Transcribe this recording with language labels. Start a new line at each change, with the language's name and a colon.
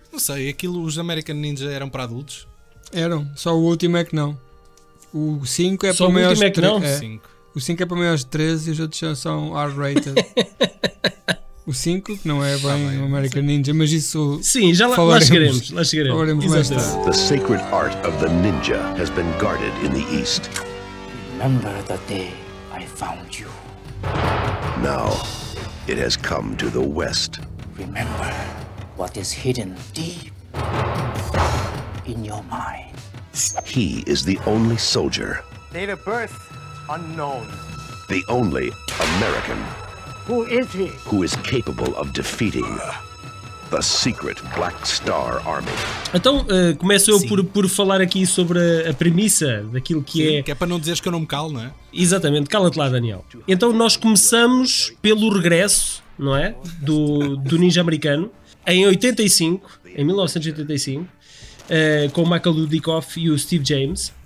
Portuguese: Não sei, aquilo, os American Ninja eram para adultos? Eram, só o último é que não. O 5 é só para o maiores. O último é que não? É. O 5 é para maiores de 13 e os outros já são R-rated. O 5, que não é bem o American Ninja, mas isso... Sim, já lá chegaremos. Falaremos mais tarde.
English: The sacred art of the ninja has been guarded in the East. Remember the day I found you. Now, it has come to the West. Remember what is hidden deep in your mind. He is the only soldier. Date of birth. Unknown. The only American. Who is he? Who is capable of defeating the secret Black Star Army.
Portuguese: Então, começo eu por falar aqui sobre a premissa daquilo que sim, é... que é para não dizeres que eu não me calo, não é? Exatamente, cala-te lá, Daniel. Então, nós começamos pelo regresso, não é? Do ninja americano, em 85, em 1985, com o Michael Dudikoff e o Steve James.